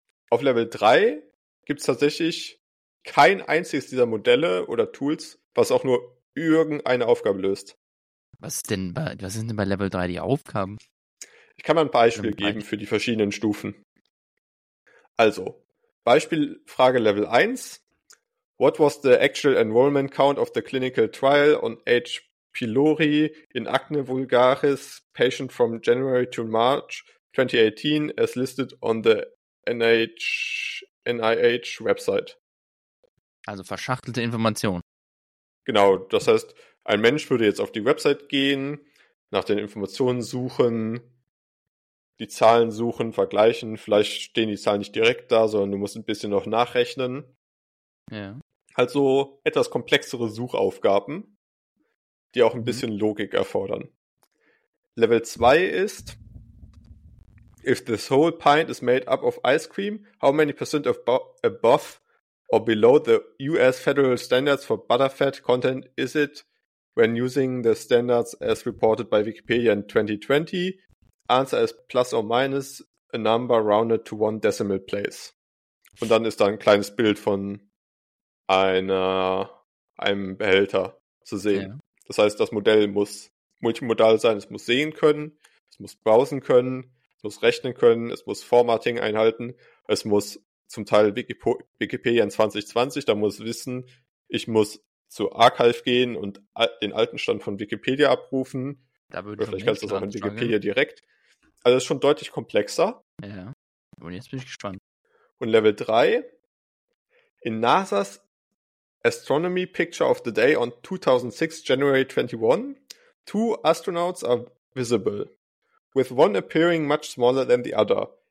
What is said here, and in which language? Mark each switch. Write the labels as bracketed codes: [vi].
[de] Auf Level 3 gibt es tatsächlich kein einziges dieser Modelle oder Tools, was auch nur irgendeine Aufgabe löst. Was sind denn bei Level 3 die Aufgaben? Ich kann mal ein Beispiel geben für die verschiedenen Stufen. Also, Beispielfrage Level 1. [en] What was the actual enrollment count of the clinical trial on H. pylori in acne vulgaris patient from January to March 2018 as listed on the NIH website? [de] Also verschachtelte Informationen. Genau, das heißt, ein Mensch würde jetzt auf die Website gehen, nach den Informationen suchen, die Zahlen suchen, vergleichen. Vielleicht stehen die Zahlen nicht direkt da, sondern du musst ein bisschen noch nachrechnen. Ja. Also etwas komplexere Suchaufgaben, die auch ein bisschen Logik erfordern. Level 2 ist, [en] if this whole pint is made up of ice cream, how many percent of above or below the US federal standards for butterfat content is it when using the standards as reported by Wikipedia in 2020? Answer is plus or minus a number rounded to one decimal place. [de] Und dann ist da ein kleines Bild von einem Behälter zu sehen. Ja. Das heißt, das Modell muss multimodal sein, es muss sehen können, es muss browsen können, es muss rechnen können, es muss Formatting einhalten, es muss zum Teil Wikipedia in 2020, da muss wissen, ich muss zu Archive gehen und den alten Stand von Wikipedia abrufen. Da würde vielleicht kannst du das auch in Wikipedia direkt. Also es ist schon deutlich komplexer. Ja, und jetzt bin ich gespannt. Und Level 3, [en] in NASA's Astronomy Picture of the Day on 2006, January 21, two astronauts are visible, with one appearing much smaller than the other.